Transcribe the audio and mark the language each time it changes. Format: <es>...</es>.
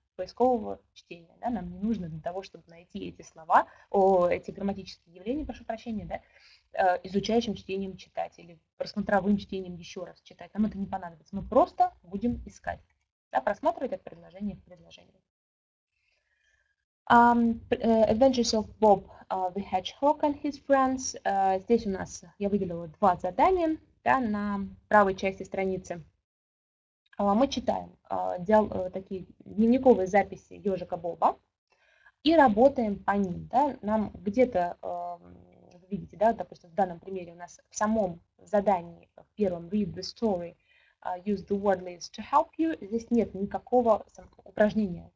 <ru>поискового чтения. Да? Нам не нужно для того, чтобы найти эти слова, эти грамматические явления, прошу прощения, да? Изучающим чтением читать или просмотровым чтением еще раз читать. Нам это не понадобится. Мы просто будем искать, да? Просматривать от предложения к предложению.</ru> <en>Adventures of Bob the Hedgehog and his friends.</en> <ru>Здесь у нас я выделила два задания, да, на правой части страницы. Мы читаем такие дневниковые записи ежика Боба и работаем по ним. Да? Нам где-то, вы видите, да, допустим, в данном примере у нас в самом задании, в первом</ru> <en>read the story, use the word list to help you,</en> <ru>здесь нет никакого упражнения.</ru>